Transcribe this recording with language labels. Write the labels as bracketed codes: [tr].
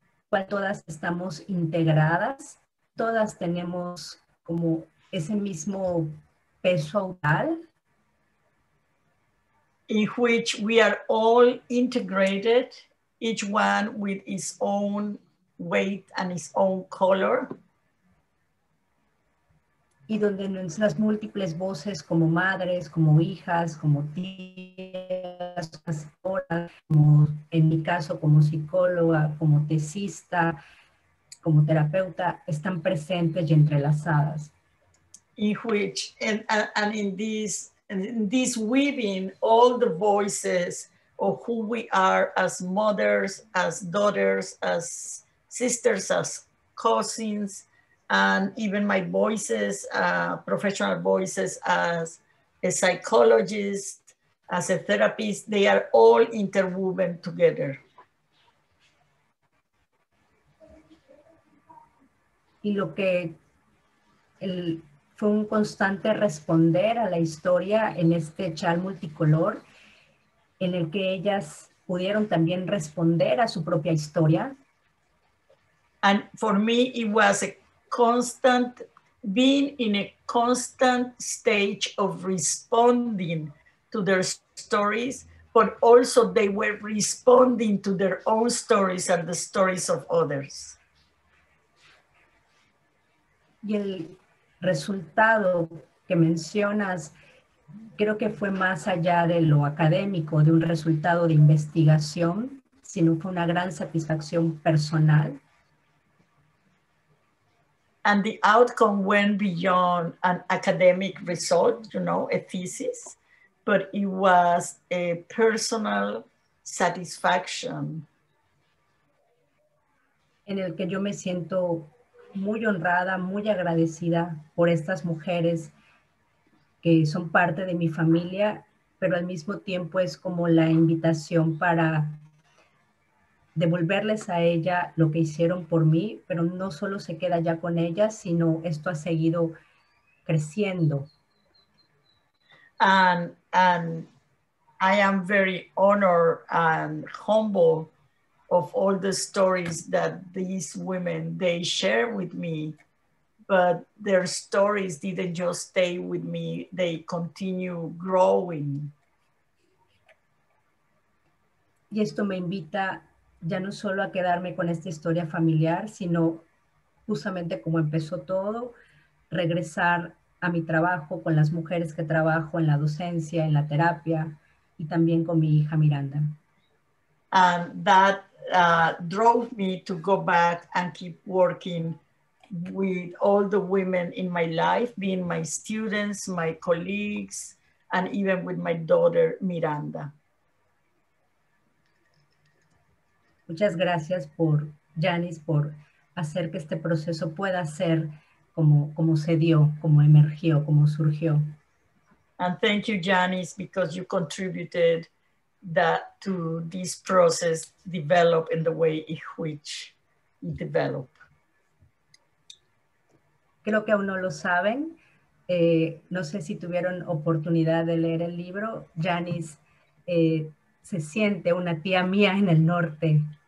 [es] Cual todas estamos integradas, todas tenemos como ese mismo peso autal. [en] In which we are all integrated, each one with its own weight and its own color. [es] Y donde nuestras múltiples voces como madres, como hijas, como tías, como en mi caso como psicóloga, como tesista, como terapeuta, están presentes y entrelazadas. [en] In which, and in this weaving, all the voices of who we are as mothers, as daughters, as sisters, as cousins, and even my voices, professional voices as a psychologist, as a therapist, they are all interwoven together. [es] Y lo que fue un constante responder a la historia en este chal multicolor, en el que ellas pudieron también responder a su propia historia. [en] And for me, it was a constant, being in a constant stage of responding to their stories, but also they were responding to their own stories and the stories of others. [es] Y el resultado que mencionas, creo que fue más allá de lo académico, de un resultado de investigación, sino fue una gran satisfacción personal. [en] And the outcome went beyond an academic result, you know, a thesis, but it was a personal satisfaction. [es] En el que yo me siento muy honrada, muy agradecida por estas mujeres que son parte de mi familia, pero al mismo tiempo es como la invitación para devolverles a ella lo que hicieron por mí, pero no solo se queda ya con ella, sino esto ha seguido creciendo. [en] And I am very honored and humble of all the stories that these women, they share with me, but their stories didn't just stay with me, they continue growing. [es] Y esto me invita ya no solo a quedarme con esta historia familiar, sino justamente como empezó todo, regresar a mi trabajo con las mujeres que trabajo en la docencia, en la terapia, y también con mi hija Miranda. [en] And that drove me to go back and keep working with all the women in my life, being my students, my colleagues, and even with my daughter Miranda. [es] Muchas gracias por Janice por hacer que este proceso pueda ser como se dio, como emergió, como surgió. [en] And thank you, Janice, because you contributed that to this process develop in the way in which it developed. [es] Creo que aún no lo saben. No sé si tuvieron oportunidad de leer el libro. Janice se siente una tía mía en el norte.